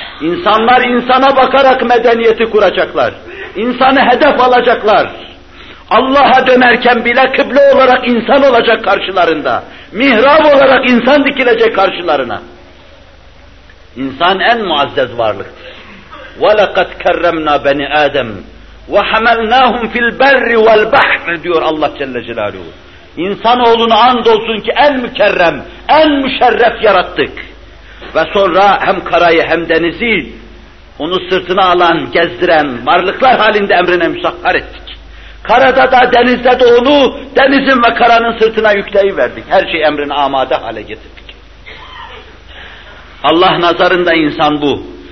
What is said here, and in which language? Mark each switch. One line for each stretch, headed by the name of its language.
Turkish: İnsanlar insana bakarak medeniyeti kuracaklar. İnsanı hedef alacaklar. Allah'a dönerken bile kıble olarak insan olacak karşılarında. Mihrab olarak insan dikilecek karşılarına. İnsan en muazzez varlıktır.
Arabic: وَلَقَدْ كَرَّمْنَا بَنِي آدَمْ وَحَمَلْنَاهُمْ فِي الْبَرِّ وَالْبَحْرِ
Turkish: diyor Allah Celle Celaluhu. İnsanoğlunu andolsun ki en mükerrem, en müşerref yarattık. Ve sonra hem karayı hem denizi onu sırtına alan, gezdiren varlıklar halinde emrine müsahhar ettik. Karada da denizde de onu denizin ve karanın sırtına yükleyiverdik. Her şey emrine amade hale getirdik. Allah nazarında insan bu.